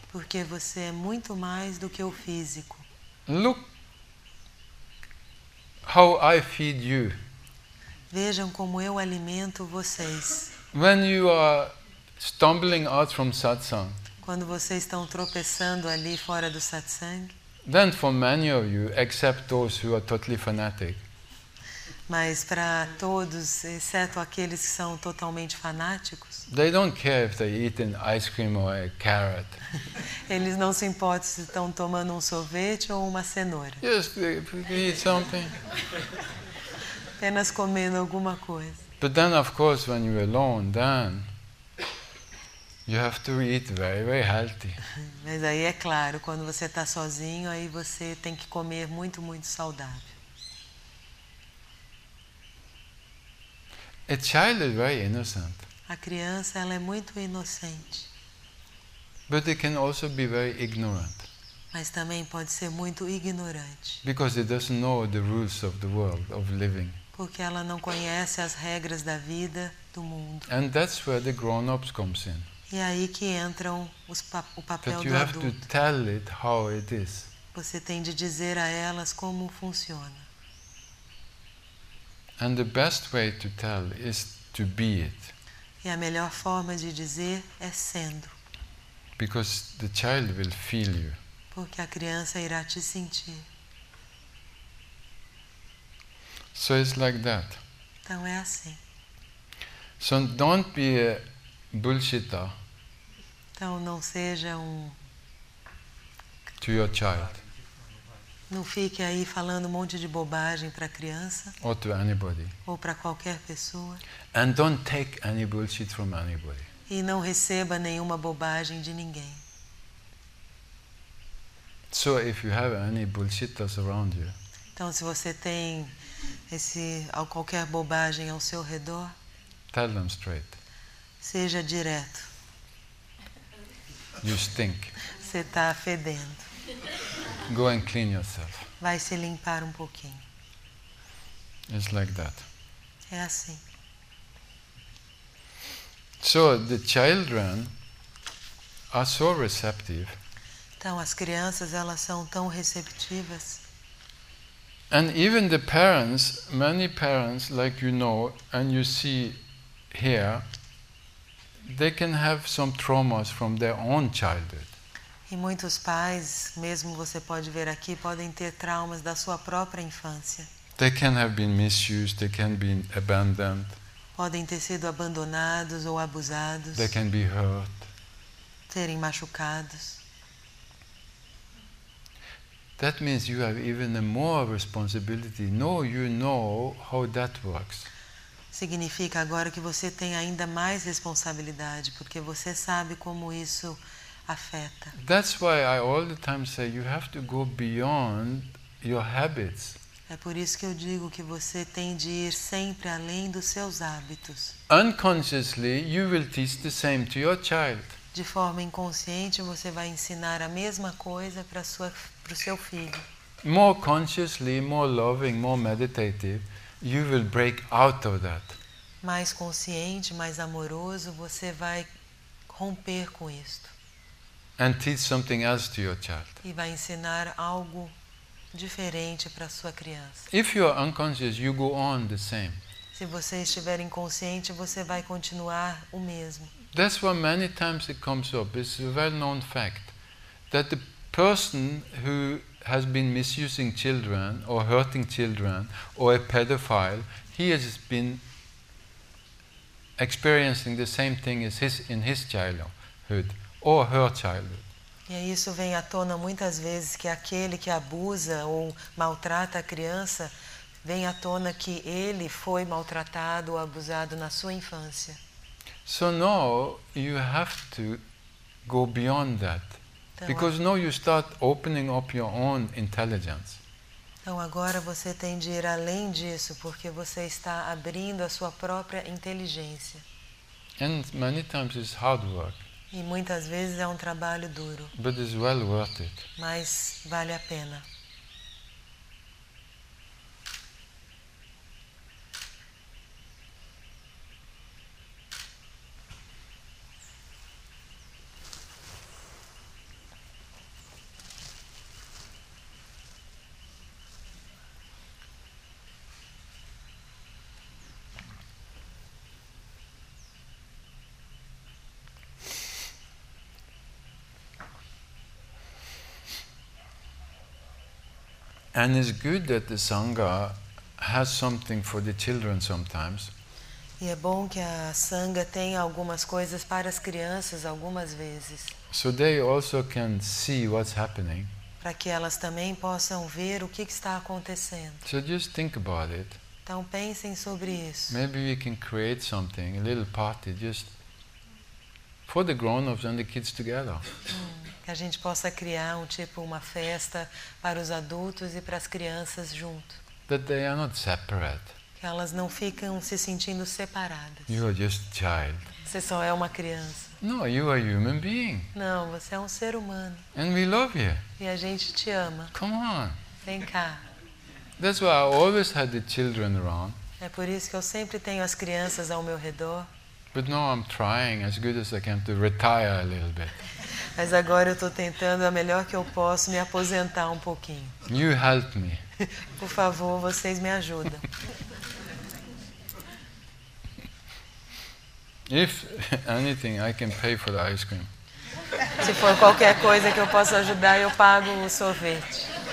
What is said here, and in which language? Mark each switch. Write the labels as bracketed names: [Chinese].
[Portuguese] Porque você é muito mais do que o físico. [English] Look how I feed you. [Portuguese] Vejam como eu alimento vocês. [English] When you are stumbling out from satsang. [Portuguese] Quando vocês estão tropeçando ali fora do satsang. [English] Then for many of you, except those who are totally fanatic. [Portuguese] Mas para todos, exceto aqueles que são totalmente fanáticos. [English] They don't care if they eat an ice cream or a carrot. [Portuguese] Eles não se importam se estão tomando um sorvete ou uma cenoura. [English] Just eat something. [Portuguese] Apenas comendo alguma coisa. [English] But then, of course, when you're alone, then you have to eat very, very healthy. [Portuguese] Mas aí é claro, quando você está sozinho, aí você tem que comer muito, muito saudável. [English] A child is very innocent. [Portuguese] A criança, ela é muito inocente. [English] But they can also be very ignorant. [Portuguese] Mas também pode ser muito ignorante. [English] Because it doesn't know the rules of the world of living. [Portuguese] Porque ela não conhece as regras da vida do mundo. [English] And that's where the grown-ups comes in. [Portuguese] E aí que entram os papel [English] But [Portuguese] do [English] you [Portuguese] adulto. [English] Have to tell it how it is. [Portuguese] Você tem de dizer a elas como funciona. [English] And the best way to tell is to be it. [Portuguese] E a melhor forma de dizer é sendo. [English] Because the child will feel you. [Portuguese] Porque a criança irá te sentir. [English] So it's like that. [Portuguese] Então é assim. [English] So don't be a bullshitter. [Portuguese] Então não seja um. [English] To your child. [Portuguese] Não fique aí falando um monte de bobagem para a criança. [English] Or to anybody. [Portuguese] Ou para qualquer pessoa. [English] And don't take any bullshit from anybody. [Portuguese] E não receba nenhuma bobagem de ninguém. [English] So if you have any bullshitters around you. [Portuguese] Então se você tem esse qualquer bobagem ao seu redor. [English] Tell them straight. [Portuguese] Seja direto. [English] You stink. [Portuguese] Você está fedendo. [English] Go and clean yourself. [Portuguese] Vai se limpar um pouquinho. [English] It's like that. [Portuguese] É assim. [English] So the children are so receptive. [Portuguese] Então as crianças elas são tão receptivas. [English] And even the parents, many parents, like you know, and you see here, they can have some traumas from their own childhood. [Portuguese] E muitos pais, mesmo você pode ver aqui, podem ter traumas da sua própria infância. [English] They can have been misused, they can be abandoned. [Portuguese] Podem ter sido abandonados ou abusados. [English] They can be hurt. [Portuguese] Terem machucados. [English] That means you have even a more responsibility. Now you know how that works. [Portuguese] Significa agora que você tem ainda mais responsabilidade, porque você sabe como isso afeta. [English] That's why I all the time say you have to go beyond your habits. [Portuguese] É por isso que eu digo que você tem de ir sempre além dos seus hábitos. [English] Unconsciously, you will teach the same to your child. [Portuguese] De forma inconsciente, você vai ensinar a mesma coisa para sua pro seu filho. [English] More consciously, more loving, more meditative, you will break out of that. [Portuguese] Mais consciente, mais amoroso, você vai romper com isto. [English] And teach something else to your child. [Portuguese] E vai ensinar algo diferente para sua criança. [English] If you are unconscious, you go on the same. [Portuguese] Se você estiver inconsciente, você vai continuar o mesmo. [English] That's why many times it comes up. It's a well-known fact that the person who has been misusing children or hurting children or a pedophile, he has been experiencing the same thing as his in his childhood or her childhood. [Portuguese] E isso vem à tona muitas vezes que aquele que abusa ou maltrata a criança vem à tona que ele foi maltratado ou abusado na sua infância. [English] So now you have to go beyond that. Because now you start opening up your own intelligence. [Portuguese] Então agora você tem de ir além disso, porque você está abrindo a sua própria inteligência. [English] And many times it's hard work. [Portuguese] E muitas vezes é um trabalho duro. [English] But it's well worth it. [Portuguese] Mas vale a pena. [English] And it's good that the Sangha has something for the children sometimes. [Portuguese] E é bom que a Sangha tenha algumas coisas para as crianças algumas vezes. [English] So they also can see what's happening. [Portuguese] Para que elas também possam ver o que está acontecendo. [English] So just think about it. [Portuguese] Então pensem sobre isso. [English] Maybe we can create something, a little party, just for the grown-ups and the kids together. [Portuguese] Que a gente possa criar um tipo uma festa para os adultos e para as crianças junto. [English] That they are not separate. [Portuguese] Que elas não ficam se sentindo separadas. [English] You are just a child. [Portuguese] Você só é uma criança. [English] No, you are a human being. [Portuguese] Não, você é um ser humano. [English] And we love you. [Portuguese] E a gente te ama. [English] Come on. [Portuguese] Vem cá. [English] That's why I always had the children around. [Portuguese] É por isso que eu sempre tenho as crianças ao meu redor. [English] But now I'm trying as good as I can to retire a little bit. [Portuguese] Mas agora eu estou tentando a melhor que eu posso me aposentar um pouquinho. [English] You help me. [Portuguese] Por favor, vocês me ajudam. [English] If anything, I can pay for the ice cream. [Portuguese] Se for qualquer coisa que eu possa ajudar, eu pago o sorvete.